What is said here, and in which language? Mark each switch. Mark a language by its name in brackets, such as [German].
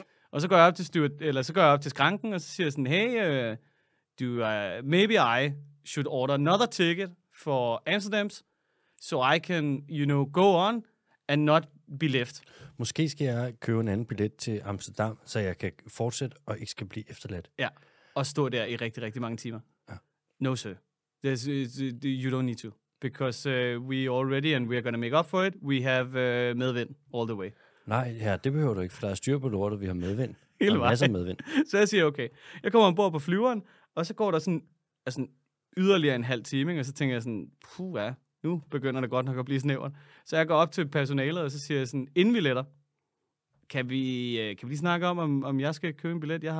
[Danish] Og så går jeg op til skranken, og så siger jeg sådan, [English] hey, maybe I should order another ticket for Amsterdam's, so I can, you know, go on and not be left. [Danish] Måske skal jeg købe en anden billet til Amsterdam, så jeg kan fortsætte og ikke skal blive efterladt. Ja, og stå der i rigtig, rigtig mange timer. Ja. [English] No, sir. You don't need to. Because we already, and we are going to make up for it, we have medvind all the way. [Danish] Nej, ja, det behøver du ikke, for der er styr på lortet, vi har medvind. Helt vej. Der er masser af medvind. Så jeg siger, okay, jeg kommer ombord på flyveren, og så går der sådan, altså yderligere en halv time, ikke? Og så tænker jeg sådan, puh, ja, nu begynder det godt nok at blive snævret. Så jeg går op til personalet, og så siger jeg sådan, inden vi letter, kan vi lige snakke om jeg skal købe en billet?